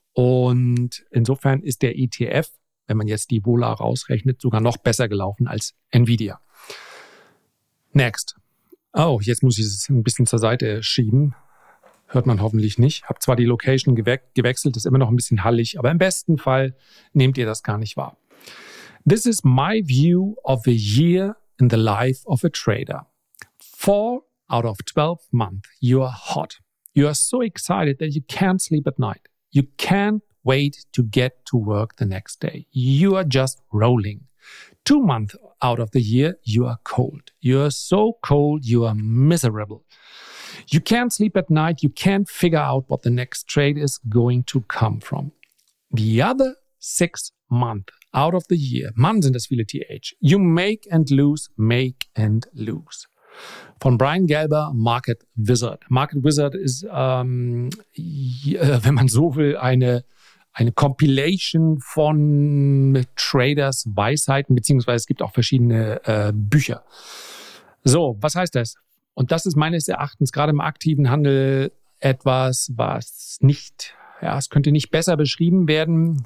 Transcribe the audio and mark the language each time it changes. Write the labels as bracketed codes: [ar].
[de] Und insofern ist der ETF, wenn man jetzt die Vola rausrechnet, sogar noch besser gelaufen als Nvidia. Next. Oh, jetzt muss ich es ein bisschen zur Seite schieben. Hört man hoffentlich nicht. Hab zwar die Location gewechselt, ist immer noch ein bisschen hallig, aber im besten Fall nehmt ihr das gar nicht wahr. [en] This is my view of a year in the life of a trader. 4 out of 12 months, you are hot. You are so excited that you can't sleep at night. You can't wait to get to work the next day. You are just rolling. 2 months out of the year, you are cold. You are so cold, you are miserable. You can't sleep at night. You can't figure out what the next trade is going to come from. The other 6 months out of the year, months in this viele TH, you make and lose, make and lose. [de] Von Brian Gelber, Market Wizard. Market Wizard ist, wenn man so will, eine Compilation von Traders Weisheiten, beziehungsweise es gibt auch verschiedene Bücher. So, was heißt das? Und das ist meines Erachtens gerade im aktiven Handel etwas, was nicht, ja, es könnte nicht besser beschrieben werden.